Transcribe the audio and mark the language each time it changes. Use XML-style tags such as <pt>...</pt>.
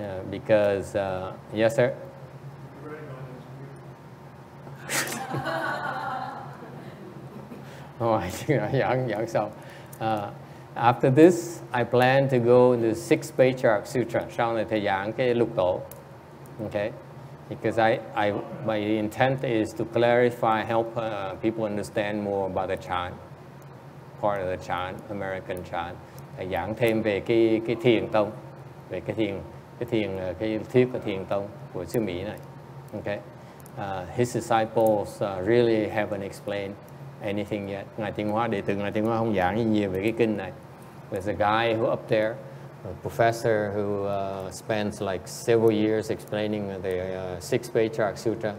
<en>Because yes sir.</en> <vi>Rồi chừng nào giảng xong.</vi> <en>After this, I plan to go in the sixth Patriarch Sutra.</en> <vi>Sau này thầy giảng cái lục tổ, okay?</vi> <en>Because my intent is to clarify, help people understand more about the Chan, part of the Chan, American Chan.</en> <vi>Thầy giảng thêm về cái thiền tông, về cái thiền cái thuyết của thiền tông của xứ Mỹ này, okay?</vi> <en>His disciples really haven't explained anything yet.</en> <vi>Ngài Tiên Hoa, đệ tử Ngài Tiên Hoa không giảng gì nhiều về cái kinh này.</vi> <en>There's a guy who up there, a professor who spends like several years explaining the Six Patriarch Sutra.</en>